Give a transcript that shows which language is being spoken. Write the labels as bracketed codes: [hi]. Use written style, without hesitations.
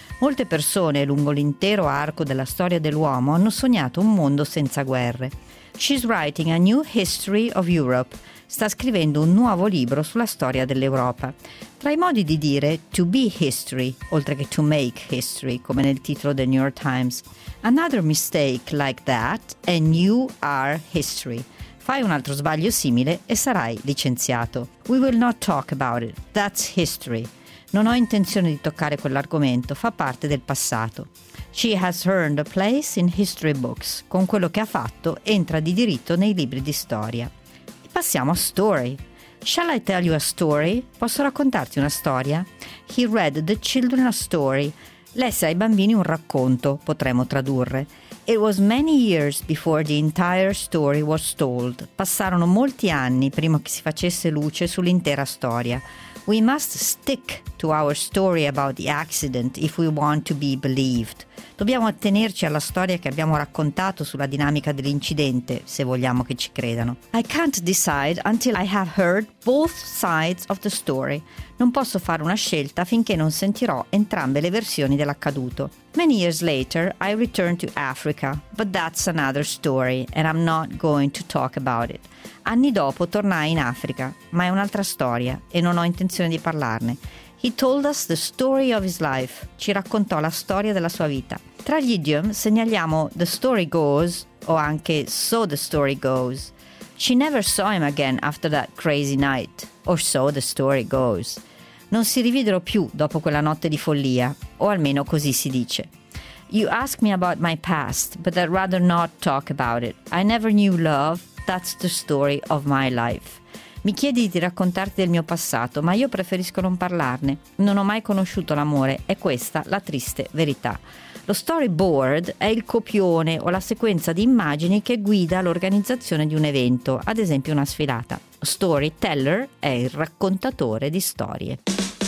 [it] Molte persone lungo l'intero arco della storia dell'uomo hanno sognato un mondo senza guerre. [en] She's writing a new history of Europe. [it] Sta scrivendo un nuovo libro sulla storia dell'Europa. Tra i modi di dire [en] to be history, [it] oltre che [en] to make history, [it] come nel titolo del New York Times. [en] Another mistake like that and you are history. [it] Fai un altro sbaglio simile e sarai licenziato. [en] We will not talk about it. That's history. [it] Non ho intenzione di toccare quell'argomento, fa parte del passato. [en] She has earned a place in history books. [it] Con quello che ha fatto, entra di diritto nei libri di storia. E passiamo a [en] story. Shall I tell you a story? [it] Posso raccontarti una storia? [en] He read the children a story. [it] Lesse ai bambini un racconto, potremmo tradurre. [en] It was many years before the entire story was told. [it] Passarono molti anni prima che si facesse luce sull'intera storia. [en] We must stick to our story about the accident if we want to be believed. [it] Dobbiamo attenerci alla storia che abbiamo raccontato sulla dinamica dell'incidente, se vogliamo che ci credano. [en] I can't decide until I have heard both sides of the story. [it] Non posso fare una scelta finché non sentirò entrambe le versioni dell'accaduto. [en] Many years later, I returned to Africa, but that's another story, and I'm not going to talk about it. [it] Anni dopo tornai in Africa, ma è un'altra storia e non ho intenzione di parlarne. [en] He told us the story of his life. [it] Ci raccontò la storia della sua vita. Tra gli idiom segnaliamo [en] the story goes [it] o anche [en] so the story goes. She never saw him again after that crazy night, or so the story goes. [it] Non si rividero più dopo quella notte di follia, o almeno così si dice. [en] You ask me about my past, but I'd rather not talk about it. I never knew love, that's the story of my life. [it] Mi chiedi di raccontarti del mio passato, ma io preferisco non parlarne. Non ho mai conosciuto l'amore, è questa la triste verità. Lo storyboard è il copione o la sequenza di immagini che guida l'organizzazione di un evento, ad esempio una sfilata. Storyteller è il raccontatore di storie.